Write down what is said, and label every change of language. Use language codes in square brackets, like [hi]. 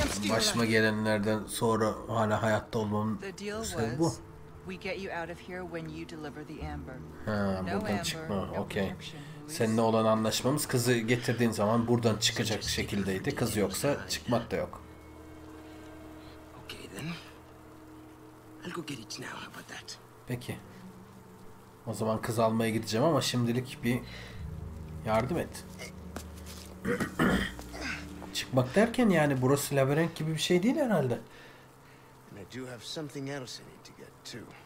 [tr] Başıma gelenlerden sonra hala hayatta olmamın sebebi bu. [en] We get you out of here when you deliver the amber. [tr] Ha, buradan no çıkma. Amber, okay. Seninle olan anlaşmamız kızı getirdiğin zaman buradan çıkacak şekildeydi. Kız yoksa çıkmak da yok. [en] Okay then. I'll go get it now. How about that? [tr] Peki. O zaman kız almaya gideceğim ama şimdilik bir yardım et. Çıkmak derken yani burası labirent gibi bir şey değil herhalde. [en] And I do have something else in it.